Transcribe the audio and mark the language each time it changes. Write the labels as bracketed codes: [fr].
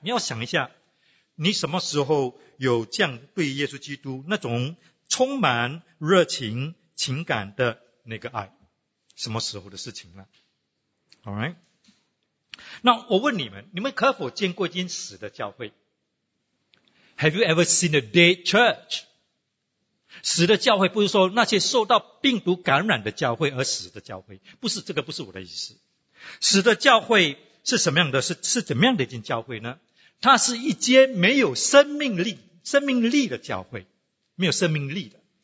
[zh] 你要想一下，你什么时候有这样对耶稣基督那种充满热情情感的那个爱，什么时候的事情呢？ Alright， 那我问你们，你们可否见过一间死的教会？ [en] Have you ever seen a dead church？ [zh] 死的教会不是说那些受到病毒感染的教会而死的教会，不是这个，不是我的意思。死的教会是什么样的？是怎么样的一间教会呢？它是一间没有生命力、生命力的教会，没有生命力的。